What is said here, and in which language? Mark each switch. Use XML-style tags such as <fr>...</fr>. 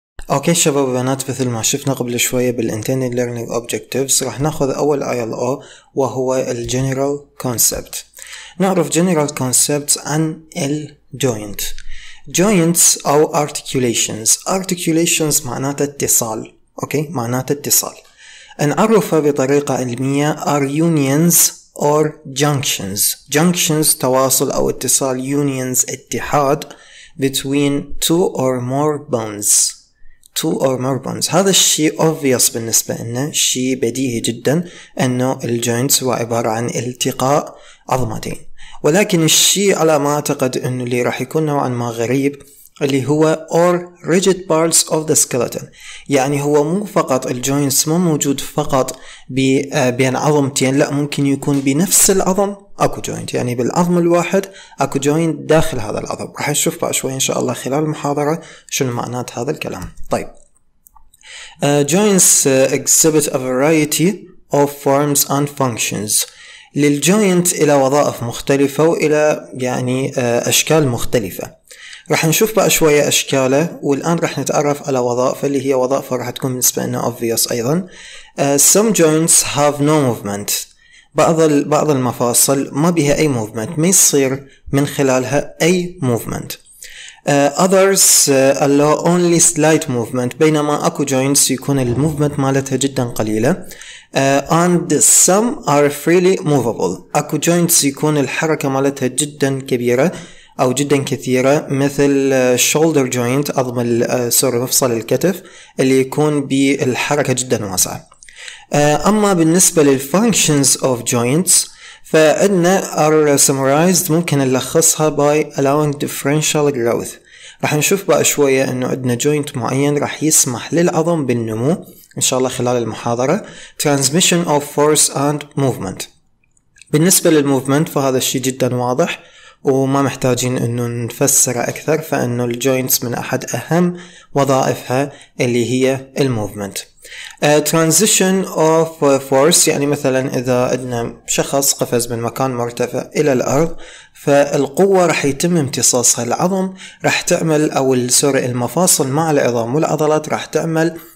<ar>أوكي شباب وبنات، مثل ما شفنا قبل شوية بالintended learning objectives، راح نأخذ أول ILO وهو general concept. نعرف general concepts عن الجوينت. joints أو articulations. articulations معناته اتصال. أوكي، معناته اتصال. نعرفها بطريقة علمية</ar> <en>are unions or junctions.</en> <ar>junctions تواصل أو اتصال. unions اتحاد.</ar> <en>between two or more bones. two or more bones.</en> <ar>هذا الشيء obvious بالنسبة لنا، شيء بديهي جدا أنه الجوينت هو عبارة عن التقاء عظمتين. ولكن الشيء على ما أعتقد أنه اللي راح يكون نوعا ما غريب اللي هو</ar> <en>or rigid parts of the skeleton،</en> <ar>يعني هو مو فقط الجوينتس مو موجود فقط بين عظمتين، لا، ممكن يكون بنفس العظم أكو جوينت، يعني بالعظم الواحد أكو جوينت داخل هذا العظم. راح نشوف بقى شوي إن شاء الله خلال المحاضرة شنو معنات هذا الكلام.</ar> <en>طيب، joints exhibit a variety of forms and functions.</en> <ar>للجوينت إلى وظائف مختلفة وإلى يعني أشكال مختلفة. راح نشوف بقى شوية أشكاله، والآن راح نتعرف على وظائف اللي هي وظائف راح تكون بالنسبة لنا obvious أيضا.</ar> <en>some joints have no movement.</en> <ar>بعض المفاصل ما بها أي movement، ما يصير من خلالها أي movement.</ar> <en>others allow only slight movement،</en> <ar>بينما أكو joints يكون الموفمنت مالتها جدا قليلة.</ar> <en>And some are freely movable.</en> <ar>اكو joints يكون الحركة مالتها جدا كبيرة أو جدا كثيرة، مثل shoulder joint، عظم مفصل الكتف اللي يكون بالحركة جدا واسعة. أما بالنسبة</ar> <en>للfunctions of joints فإن are summarized،</en> <ar>ممكن نلخصها</ar> <en>by allowing differential growth.</en> <ar>راح نشوف بقى شوية انه عندنا جوينت معين راح يسمح للعظم بالنمو ان شاء الله خلال المحاضرة.</ar> <en>Transmission of force and movement.</en> <ar>بالنسبة للموفمنت فهذا الشيء جدا واضح وما محتاجين انه نفسره اكثر، فانه الجوينتس من احد اهم وظائفها اللي هي الموفمنت.</ar> <en>Transition of force</en> <ar>يعني مثلا اذا عندنا شخص قفز من مكان مرتفع الى الارض، فالقوة رح يتم امتصاصها، العظم رح تعمل او السوري المفاصل مع العظام والعضلات رح تعمل</ar>